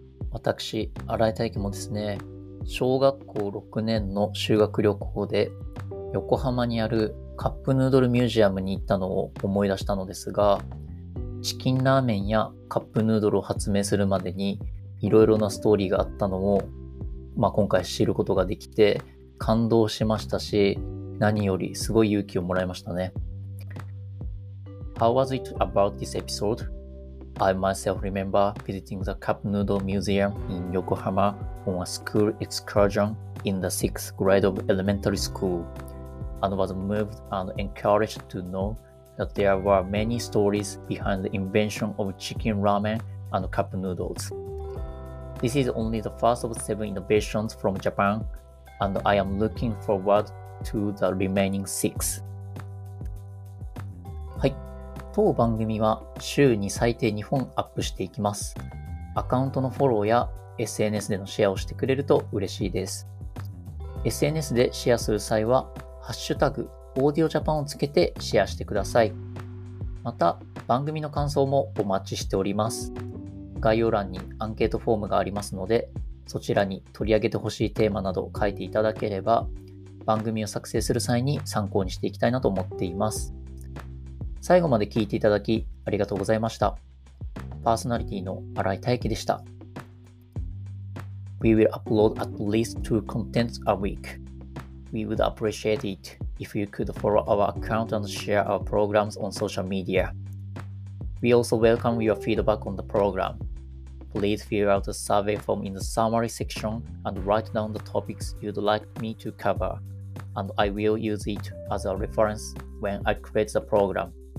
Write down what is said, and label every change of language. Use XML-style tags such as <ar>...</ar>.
<ja>私、新井大輝もですね、小学校6年の修学旅行で横浜にあるカップヌードルミュージアムに行ったのを思い出したのですが、チキンラーメンやカップヌードルを発明するまでにいろいろなストーリーがあったのを、まあ、今回知ることができて感動しましたし、何よりすごい勇気をもらいましたね。</ja> <en>How was it about this episode? I myself remember visiting the Cup Noodle Museum in Yokohama on a school excursion in the 6th grade of elementary school and was moved and encouraged to knowthat there were many stories behind the invention of chicken ramen and cup noodles. This is only the first of seven innovations from Japan, and I am looking forward to the remaining six.</en> <ja>はい。当番組は週に最低2本アップしていきます。アカウントのフォローや SNS でのシェアをしてくれると嬉しいです。 SNS でシェアする際は、ハッシュタグ、オーディオジャパンをつけてシェアしてください。また、番組の感想もお待ちしております。概要欄にアンケートフォームがありますので、そちらに取り上げてほしいテーマなどを書いていただければ、番組を作成する際に参考にしていきたいなと思っています。最後まで聞いていただきありがとうございました。パーソナリティの新井大輝でした。</ja> <en>We will upload at least two contents a week. We would appreciate it if you could follow our account and share our programs on social media. We also welcome your feedback on the program. Please fill out the survey form in the summary section and write down the topics you'd like me to cover, and I will use it as a reference when I create the program.</en>